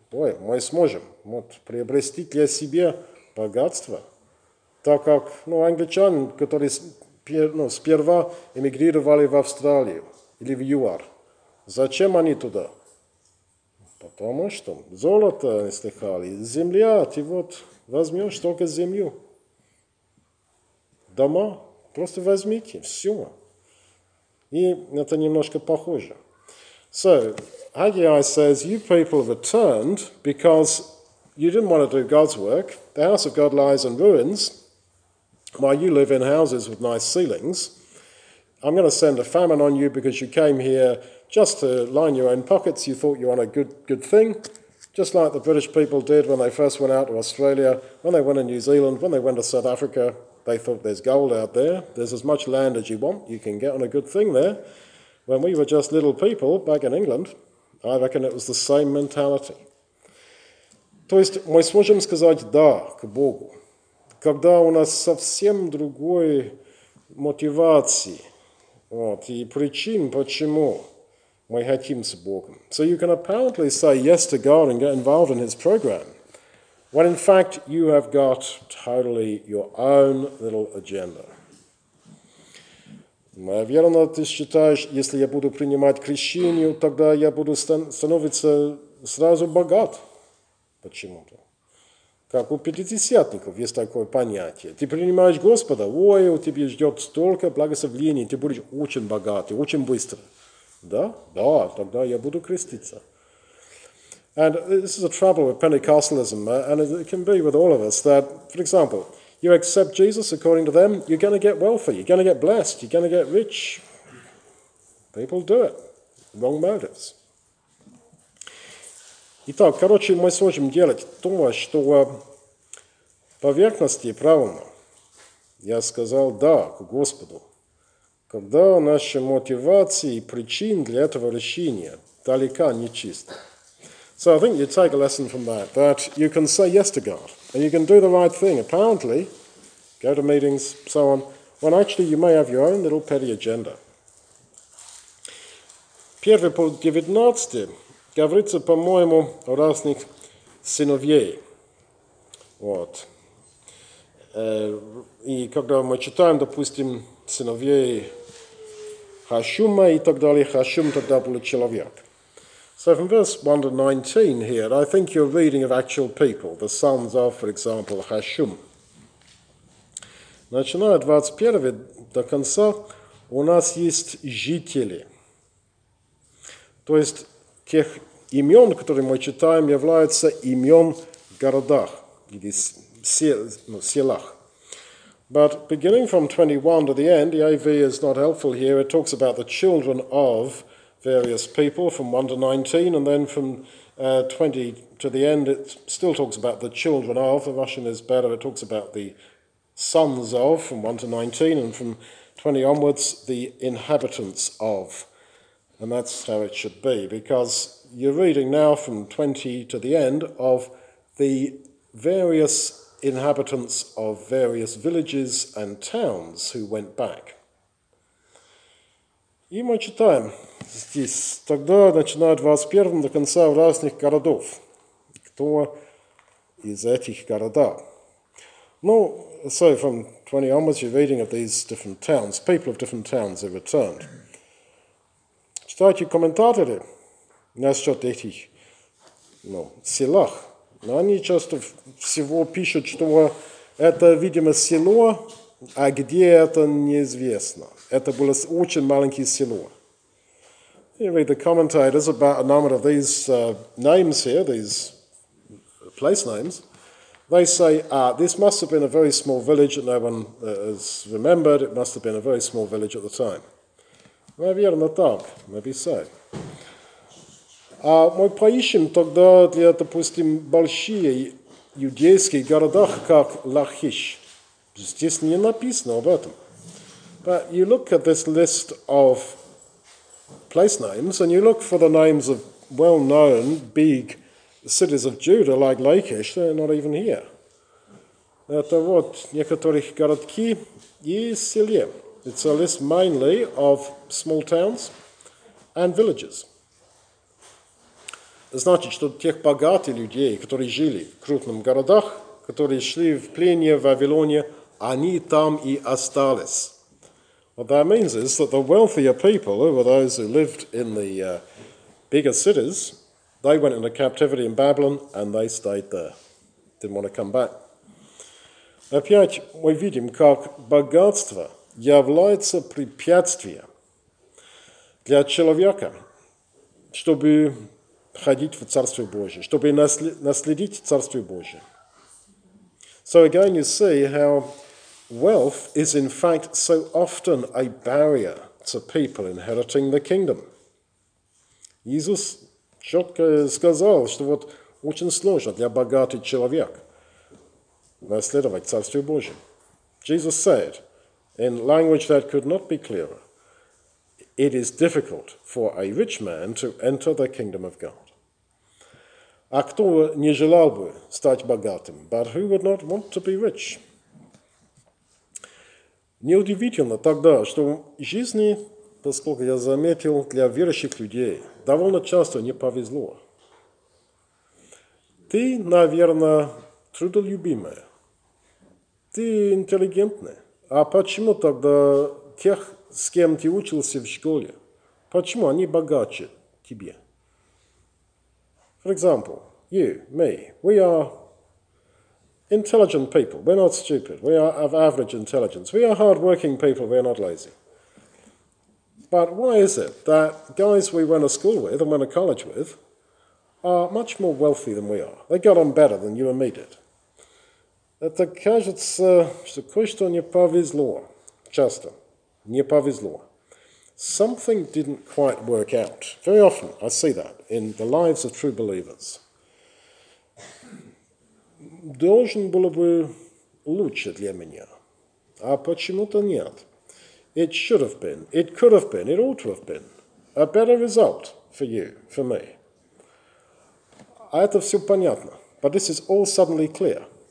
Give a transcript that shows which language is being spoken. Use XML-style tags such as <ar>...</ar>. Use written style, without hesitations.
<ru>Ой, мы сможем вот, приобрести для себя богатство, так как ну, англичане, которые ну, сперва эмигрировали в Австралию или в ЮАР, зачем они туда? Потому что золото не слыхали, земля, ты вот возьмешь только землю. Дома, просто возьмите, все. И это немножко похоже.</ru> <en>So, Haggai says, you people returned because you didn't want to do God's work. The house of God lies in ruins. While you live in houses with nice ceilings, I'm going to send a famine on you because you came here just to line your own pockets, you thought you were on a good thing, just like the British people did when they first went out to Australia, when they went to New Zealand, when they went to South Africa, They thought there's gold out there. There's as much land as you want. You can get on a good thing there. When we were just little people back in England, I reckon it was the same mentality.</en> <ru>То есть мы сможем сказать «да» к Богу, когда у нас совсем другой мотивации, вот, и причин, почему мы хотим с Богом.</ru> <en>So you can apparently say yes to God and get involved in his program, when in fact you have got totally your own little agenda.</en> <ru>Наверное, ты считаешь, если я буду принимать крещение, тогда я буду становиться сразу богат. Почему-то. Как у пятидесятников есть такое понятие. Ты принимаешь Господа, ой, у тебя ждет столько благословений, ты будешь очень богатый, очень быстро. Да? Да, тогда я буду креститься.</ru> <en>And this is a trouble with Pentecostalism, and it can be with all of us, that, for example, you accept Jesus according to them, you're going to get wealthy, you're going to get blessed, you're going to get rich. People do it. Wrong motives.</en> <ru>Итак, короче, мы сможем делать то, что поверхности правильно. Я сказал «да» к Господу, когда наши мотивации и причин для этого решения далека нечисты.</ru> <en>So I think you take a lesson from that, that you can say yes to God, and you can do the right thing, apparently, go to meetings, so on, when actually you may have your own little petty agenda.</en> <ru>Первый пункт 19 говорится, по-моему, о разных сыновей. Вот. И когда мы читаем, допустим, сыновей Хашума и так далее, Хашум тогда был человек.</ru> <en>So from verse 1 to 19 here, I think you're reading of actual people, the sons of, for example, Хашум.</en> <ru>Начиная 21 до конца, у нас есть жители. То есть тех имен, которые мы читаем, являются имен городах, или селах.</ru> <en>But beginning from 21 to the end, the AV is not helpful here. It talks about the children of various people from 1 to 19, and then from 20 to the end, it still talks about the children of. The Russian is better. It talks about the sons of from 1 to 19, and from 20 onwards, the inhabitants of. And that's how it should be, because you're reading now from 20 to the end of the various inhabitants of various villages and towns who went back.</en> <ru>И мы читаем здесь, тогда начинают 21 до конца в разных городов. Кто из этих городов?</ru> <en>Ну, so from 20 onwards, you're reading of these different towns, people of different towns who returned.</en> <ru>Читайте комментаторы насчет этих, ну, селах. Но они часто всего пишут, что это, видимо, село, а где это, неизвестно. Это было очень маленькое село.</ru> <en>You read the commentators about a number of these names here, these place names. They say, this must have been a very small village that no one has remembered. It must have been a very small village at the time.</en> <ru>Наверное, так.</ru> <en>Maybe so.</en> <ru>А мы поищем тогда для, допустим, большие иудейские города, как Лахиш. Здесь не написано об этом.</ru> <en>But you look at this list of place names, and you look for the names of well-known big cities of Judah, like Lachish, they're not even here.</en> <ru>Это вот некоторых городки и селе.</ru> <en>It's a list mainly of small towns and villages.</en> <ru>Значит, что тех богатых людей, которые жили в крупных городах, которые шли в пленение в Вавилоне, они там и остались.</ru> <en>What that means is that the wealthier people, who were those who lived in the bigger cities, they went into captivity in Babylon and they stayed there. Didn't want to come back.</en> <ru>Опять мы видим, как богатство является препятствием для человека, чтобы ходить в Царство Божие, чтобы наследить Царство Божие.</ru> <en>So again you see how wealth is in fact so often a barrier to people inheriting the kingdom.</en> <ru>Иисус четко сказал, что вот очень сложно для богатого человека наследовать Царство Божие.</ru> <en>Jesus said, in language that could not be clearer, "It is difficult for a rich man to enter the kingdom of God."</en> <ru>А кто не желал бы стать богатым?</ru> <en>But who would not want to be rich?</en> <ru>Неудивительно тогда, что в жизни, поскольку я заметил, для верующих людей довольно часто не повезло. Ты, наверное, трудолюбимая. Ты интеллигентная. А почему тогда тех, с кем ты учился в школе, почему они богаче тебе?</ru> <en>For example, you, me, we are intelligent people. We're not stupid. We are of average intelligence. We are hardworking people. We're not lazy. But why is it that guys we went to school with and went to college with are much more wealthy than we are? They got on better than you and me did.</en> <ru>Это кажется, что кое-что не повезло. Часто. Не повезло.</ru> <en>Something didn't quite work out. Very often I see that in the lives of true believers.</en> <ru>Должен было бы лучше для меня. А почему-то нет.</ru> <en>It should have been. It could have been. It ought to have been. A better result for you, for me.</en> <ru>А это все понятно.</ru> <en>But this is all suddenly clear.</en>